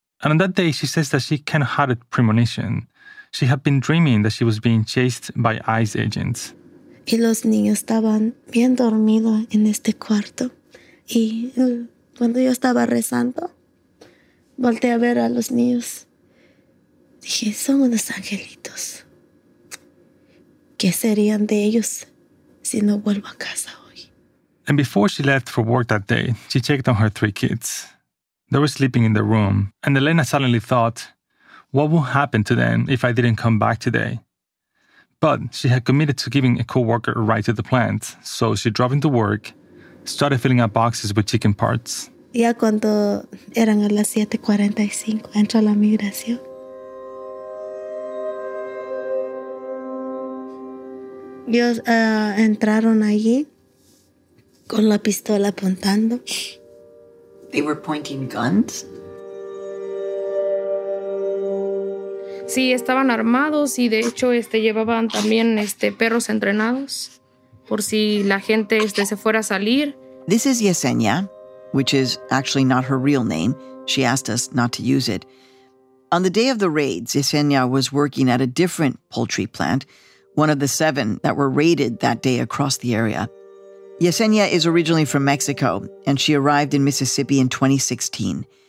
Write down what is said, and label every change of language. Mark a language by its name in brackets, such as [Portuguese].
[English] And on that day, she says that she kind of had a premonition. She had been dreaming that she was being chased by ICE agents. [Spanish] Y los niños estaban bien dormidos en este cuarto. Y cuando yo estaba rezando, volteé a ver a los niños. Dije, son unos angelitos. ¿Qué serían de ellos si no vuelvo a casa? [English] And before she left for work that day, she checked on her 3 kids. They were sleeping in the room, and Elena suddenly thought, what would happen to them if I didn't come back today? But she had committed to giving a co-worker a ride to the plant, so she drove into work, started filling up boxes with chicken parts. [Spanish] Ya cuando eran a las 7:45, entró la migración. Entraron allí. Con la pistola apuntando. [English] They were pointing guns? [Spanish] Sí, estaban armados y de hecho llevaban también perros entrenados por si la gente se fuera a salir. [English] This is Yesenia, which is actually not her real name. She asked us not to use it. On the day of the raids, Yesenia was working at a different poultry plant, one of the 7 that were raided that day across the area. Yesenia is originally from Mexico, and she arrived in Mississippi in 2016.